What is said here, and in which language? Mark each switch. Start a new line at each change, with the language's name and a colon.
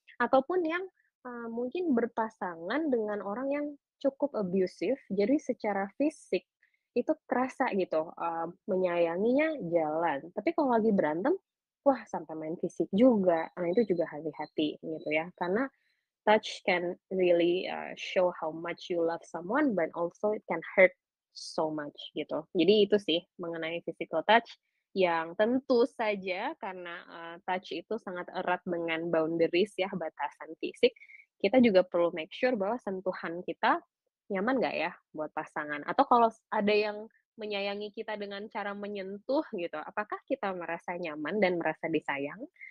Indonesian: Ataupun yang mungkin berpasangan dengan orang yang cukup abusive, jadi secara fisik itu kerasa gitu, menyayanginya jalan. Tapi kalau lagi berantem, wah sampai main fisik juga. Nah itu juga hati-hati gitu ya. Karena
English: touch can really show how much you love someone, but also it can hurt so much gitu.
Indonesian: Jadi itu sih mengenai physical touch. Yang tentu saja karena touch itu sangat erat dengan boundaries ya, batasan fisik, kita juga perlu
English: make sure
Indonesian: bahwa sentuhan kita nyaman nggak ya buat pasangan. Atau kalau ada yang menyayangi kita dengan cara menyentuh gitu, apakah kita merasa nyaman dan merasa disayang?